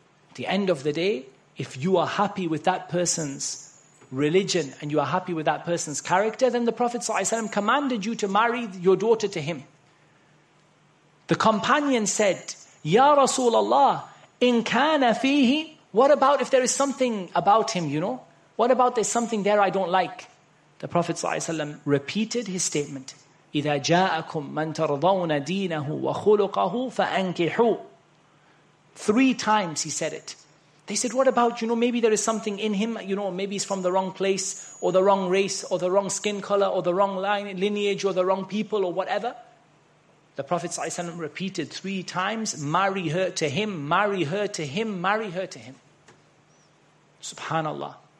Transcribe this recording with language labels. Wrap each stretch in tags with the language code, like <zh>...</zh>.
<en>At the end of the day, if you are happy with that person's religion and you are happy with that person's character, then the Prophet ﷺ commanded you to marry your daughter to him. The companion said,</en> <ar>Ya Rasulullah, in kana fihi,</ar> <en>what about if there is something about him, you know? What about there's something there I don't like? The Prophet ﷺ repeated his statement.</en> <ar>إِذَا جَاءَكُمْ مَنْ تَرْضَوْنَ دِينَهُ وَخُلُقَهُ فَأَنْكِحُ</ar> <en>Three times he said it. They said, what about, you know, maybe there is something in him, you know, maybe he's from the wrong place, or the wrong race, or the wrong skin color, or the wrong lineage, or the wrong people, or whatever. The Prophet ﷺ repeated three times, marry her to him, marry her to him, marry her to him. Subhanallah.</en>